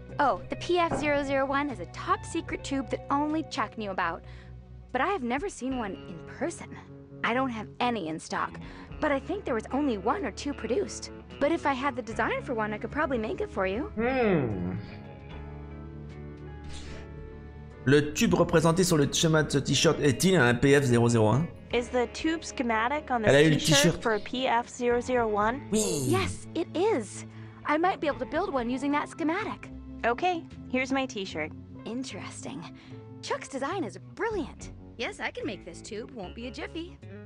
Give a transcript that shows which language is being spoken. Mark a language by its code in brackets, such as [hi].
[en] Oh, the PF001 is a top secret tube that only Chuck knew about. But I have never seen one in person. I don't have any in stock, but I think there was only one or two produced. But if I had the design for one, I could probably make it for you. [fr] Le tube représenté sur le schéma de ce t-shirt est-il un PF001? [en] Is the tube schematic on this t-shirt for a PF001? [fr] Oui. [en] Yes, it is. I might be able to build one using that schematic. Okay, here's my t-shirt. Interesting. Chuck's design is brilliant. Yes, I can make this tube. Won't be a jiffy.